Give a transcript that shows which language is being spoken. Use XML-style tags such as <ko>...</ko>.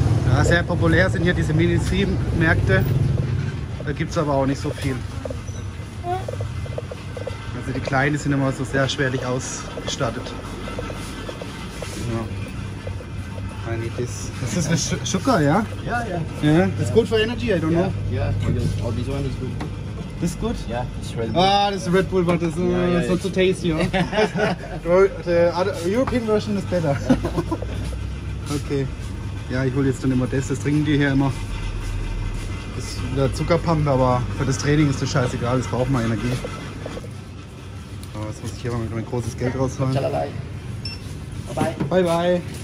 <de>Ja, sehr populär sind hier diese Mini-7-Märkte. Da gibt es aber auch nicht so viel. Also die Kleinen sind immer so sehr schwerlich ausgestattet. Ja. Das ist Zucker, ja? Ja, ja.</de> <en>Yeah.</en> <de>Das ist gut für Energy,</de> <en>I don't know. Ja, yeah. Yeah. Oh, this one is good. This is good? Ja, yeah, it's Red Bull. Ah,</en> <de>das ist Red Bull,</de> <en>but it's not so tasty, ja? The European version is better. Okay.</en> <de>Ja, ich hole jetzt dann immer das trinken die hier immer. Das ist wieder Zuckerpumpe, aber für das Training ist das scheißegal, das braucht mal Energie. Aber jetzt muss ich hier mal mein großes Geld rausholen.</de> <en>Bye-bye. Bye-bye.</en>